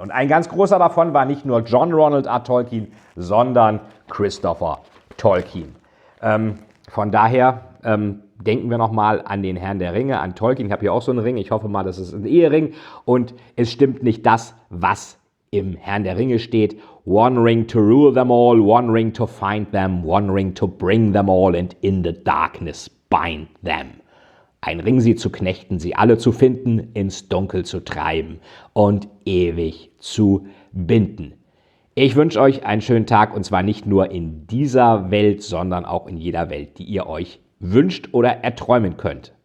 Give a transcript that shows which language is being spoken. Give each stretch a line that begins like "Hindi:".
German: Und ein ganz großer davon war nicht nur John Ronald R. Tolkien, sondern Christopher Tolkien. Von daher denken wir nochmal an den Herrn der Ringe, an Tolkien. Ich habe hier auch so einen Ring. Ich hoffe mal, das ist ein Ehering. Und es stimmt nicht das, was im Herrn der Ringe steht.
English: One ring to rule them all, one ring to find them, one ring to bring them all and in the darkness bind them.
German: Ein Ring, sie zu knechten, sie alle zu finden, ins Dunkel zu treiben und ewig zu binden. Ich wünsche euch einen schönen Tag, und zwar nicht nur in dieser Welt, sondern auch in jeder Welt, die ihr euch wünscht oder erträumen könnt.